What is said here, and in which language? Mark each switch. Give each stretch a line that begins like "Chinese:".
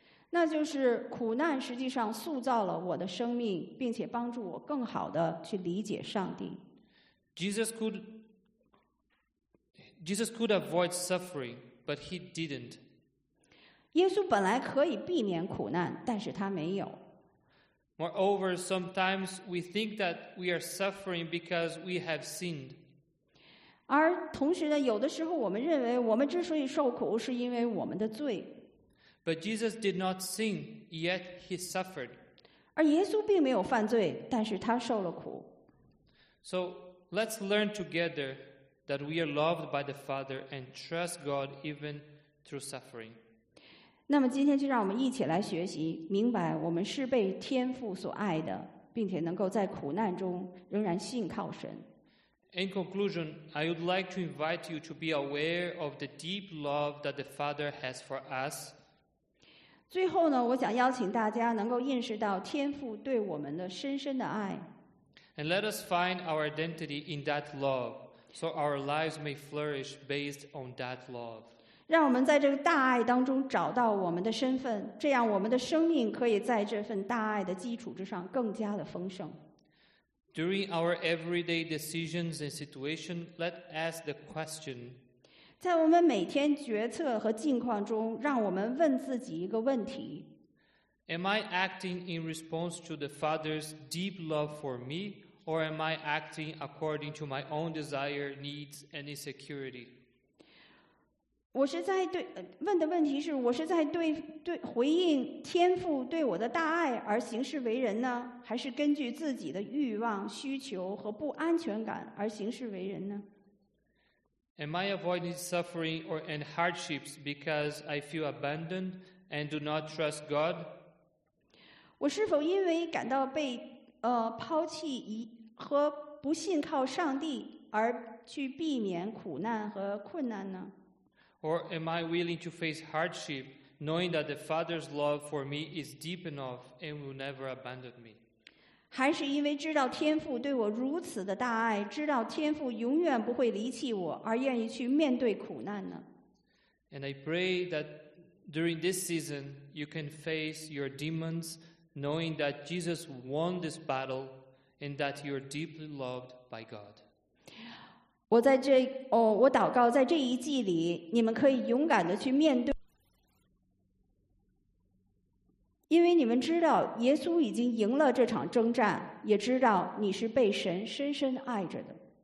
Chinese: 那就是苦难实际上塑造了我的生命，并且帮助我更好地去理解上帝。
English: Jesus could avoid suffering, but he didn't.
Chinese: 耶稣本来可以避免苦难，但是他没有。
English: Moreover, sometimes we think that we are suffering because we have sinned.
Chinese: 而同时呢，有的时候我们认为我们之所以受苦是因为我们的罪。
English: But Jesus did not sin, yet he suffered.
Chinese: 而耶稣并没有犯罪，但是他受了苦。
English: So let's learn together that we are loved by the Father and trust God even through suffering.
Chinese: 那么今天就让我们一起来学习，明白我们是被天父所爱的，并且能够在苦难中仍然信靠神。
English: In conclusion, I would like to invite you to be aware of the deep love that the Father has for us.
Chinese: 最后呢，我想邀请大家能够认识到天父对我们的深深的爱。
English: And let us find our identity in that love, so our lives may flourish based on that love.
Chinese: 让我们在这个大爱当中找到我们的身份，这样我们的生命可以在这份大爱的基础之上更加的丰盛。
English: During our everyday decisions and situation, let ask the question.
Chinese: 在我们每天决策和境况中，让我们问自己一个问题。
English: Am I acting in response to the Father's deep love for me, or am I acting according to my own desire, needs, and insecurity?
Chinese: 我是在对问的问题是我是在对回应天父对我的大爱而行事为人呢，还是根据自己的欲望、需求和不安全感而行事为人呢？
English: Am I avoiding suffering or and hardships because I feel abandoned and do not trust God?
Chinese: 我是否因为感到被抛弃和不信靠上帝而去避免苦难和困难呢？
English: Or am I willing to face hardship knowing that the Father's love for me is deep enough and will never abandon me.
Chinese: 还是因为知道天父对我如此的大爱，知道天父永远不会离弃我，而愿意去面对苦难呢？
English: And I pray that during this season you can face your demons, knowing that Jesus won this battle and that you are deeply loved by God.
Chinese: 我在这哦，我祷告在这一季里，你们可以勇敢的去面对。因为你们知道耶稣已经赢了这场征战，也知道你是被神深深爱着的。